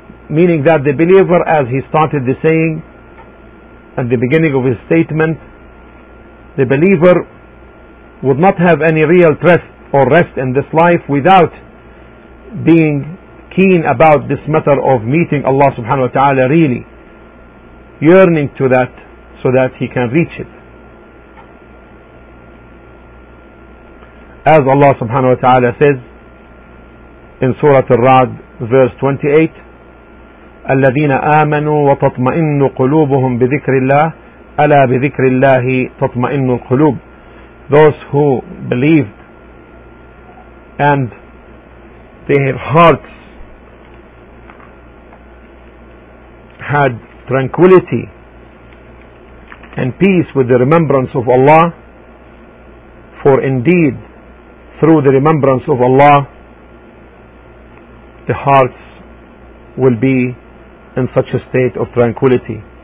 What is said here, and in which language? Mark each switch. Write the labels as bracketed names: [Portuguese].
[English] Meaning that the believer, as he started the saying at the beginning of his statement, the believer would not have any real trust or rest in this life without being keen about this matter of meeting Allah subhanahu wa ta'ala, really yearning to that so that he can reach it. As Allah subhanahu wa ta'ala says in Surah Al-Ra'd verse 28, [Arabic] الَّذِينَ آمَنُوا وَتَطْمَئِنُّ قُلُوبُهُمْ بِذِكْرِ اللَّهِ أَلَا بِذِكْرِ اللَّهِ تَطْمَئِنُّ الْقُلُوبُ. [English] Those who believed and their hearts had tranquility and peace with the remembrance of Allah, for indeed through the remembrance of Allah the hearts will be in such a state of tranquility.